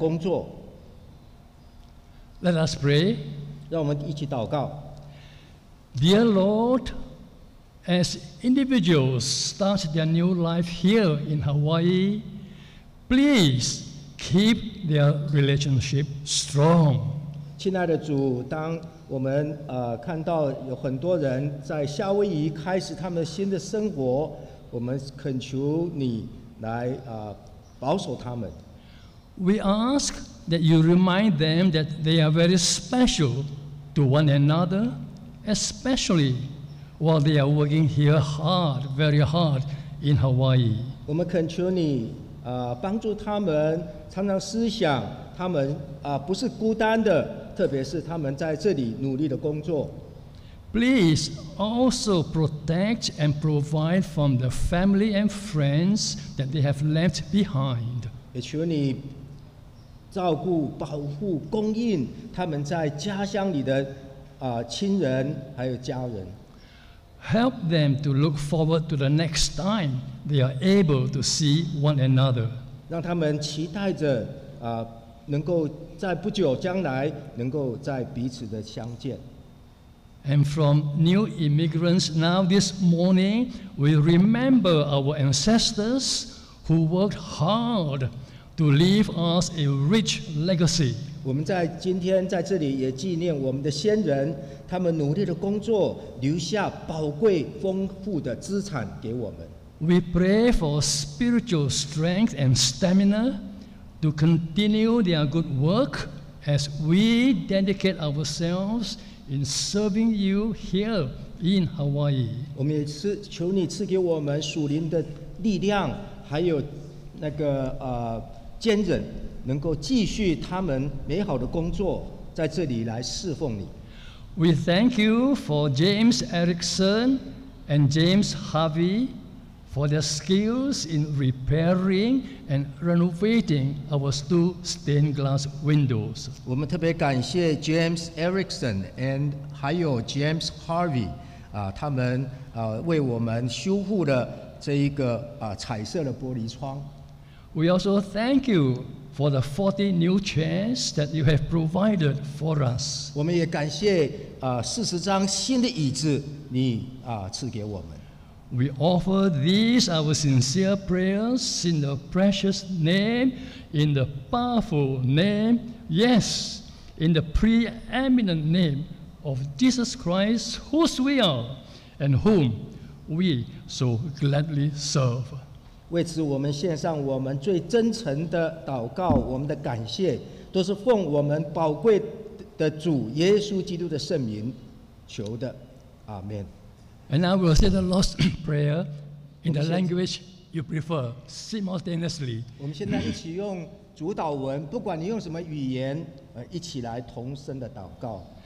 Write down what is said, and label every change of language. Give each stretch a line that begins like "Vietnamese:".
Chinese: 作为一个新的移民来到这里，我们也祈求父神帮助你们能够尽快的融入这个地方，不管你们现在多么的努力在工作。
English: Let us pray.
Chinese: 让我们一起祷告。
English: Dear Lord, as individuals start their new life here in Hawaii, please keep their relationship strong.
Chinese: 亲爱的主，当我们看到有很多人在夏威夷开始他们新的生活，我们恳求你来保守他们。
English: We ask that you remind them that they are very special to one another, especially while they are working here hard, very hard in Hawaii.
Chinese: 我们恳求你 帮助他们，常常思想他们不是孤单的，特别是他们在这里努力的工作。
English: Please also protect and provide from the family and friends that they have left behind.
Chinese: 也求你照顾、保护、供应他们在家乡里的亲人还有家人。
English: Help them to look forward to the next time they are able to see one another.
Chinese: 让他们期待着，能够在不久将来能够再彼此的相见。
English: And from new immigrants now this morning, we remember our ancestors who worked hard to leave us a rich legacy
Chinese: 我们在今天在这里也纪念我们的先人，他们努力的工作，留下宝贵丰富的资产给我们。
English: We pray for spiritual strength and stamina to continue their good work as we dedicate ourselves in serving you here in Hawaii.
Chinese: 我们也求你赐给我们属灵的力量，还有那个坚韧。能够继续他们美好的工作，在这里来侍奉你。
English: We thank you for James Erickson and James Harvey for their skills in repairing and renovating our two stained glass windows.
Chinese: 我们特别感谢 James Erickson
English: and
Chinese: 还有 James Harvey 他们为我们修复了这一个彩色的玻璃窗。
English: We also thank you. For the 40 new chairs that you have provided for us.
Chinese: 我们也感谢40张新的椅子你赐给我们。
English: We offer these our sincere prayers in the precious name, in the powerful name, yes, in the preeminent name of Jesus Christ, whose we are and whom we so gladly serve.
Chinese: 为此，我们献上我们最真诚的祷告，我们的感谢，都是奉我们宝贵的主耶稣基督的圣名求的，阿门。
English: And I will say the Lord's prayer in the language you prefer simultaneously.
Chinese: 我们现在一起用主祷文，不管你用什么语言，一起来同声的祷告。